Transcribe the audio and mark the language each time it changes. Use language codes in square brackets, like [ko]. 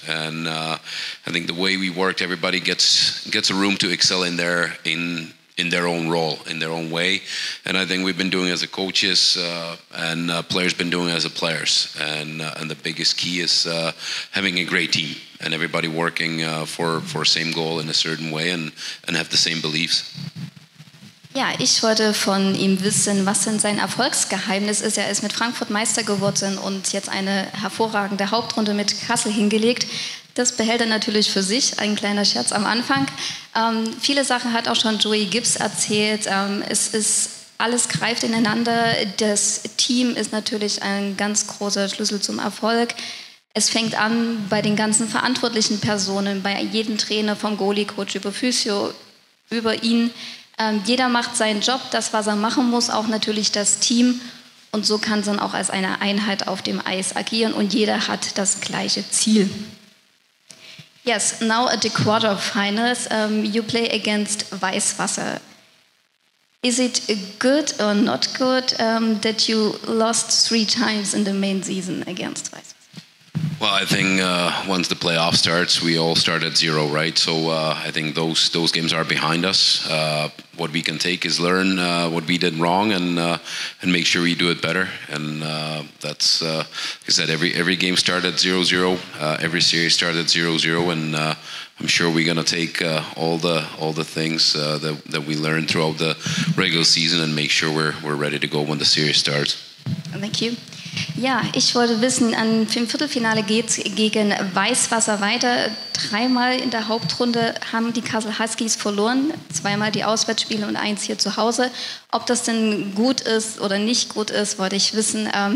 [en] And I think the way we worked, everybody gets a room to excel in their in their own role, in their own way. And I think we've been doing as a coaches, and players been doing as a players. And the biggest key is having a great team and everybody working for same goal in a certain way and have the same beliefs. [de] Ja, ich wollte von ihm wissen, was denn sein Erfolgsgeheimnis ist. Er ist mit Frankfurt Meister geworden und jetzt eine hervorragende Hauptrunde mit Kassel hingelegt. Das behält er natürlich für sich, ein kleiner Scherz am Anfang. Viele Sachen hat auch schon Joey Gibbs erzählt. Es ist, alles greift ineinander. Das Team ist natürlich ein ganz großer Schlüssel zum Erfolg. Es fängt an bei den ganzen verantwortlichen Personen, bei jedem Trainer, vom Goalie-Coach über Physio, über ihn. Jeder macht seinen Job, das, was er machen muss, auch natürlich das Team. Und so kann es dann auch als eine Einheit auf dem Eis agieren und jeder hat das gleiche Ziel. [en] Yes, now at the quarterfinals, you play against Weißwasser. Is it good or not good that you lost 3 times in the main season against Weißwasser? Well, I think once the playoff starts, we all start at zero, right? So I think those games are behind us. What we can take is learn what we did wrong and make sure we do it better. And that's, like I said, every game starts at 0-0. Every series starts at 0-0. And I'm sure we're going to take all the things that we learned throughout the regular season and make sure we're ready to go when the series starts. Thank you. [de] Ja, ich wollte wissen, im Viertelfinale geht es gegen Weißwasser weiter. Dreimal in der Hauptrunde haben die Kassel Huskies verloren, zweimal die Auswärtsspiele und eins hier zu Hause. Ob das denn gut ist oder nicht gut ist, wollte ich wissen.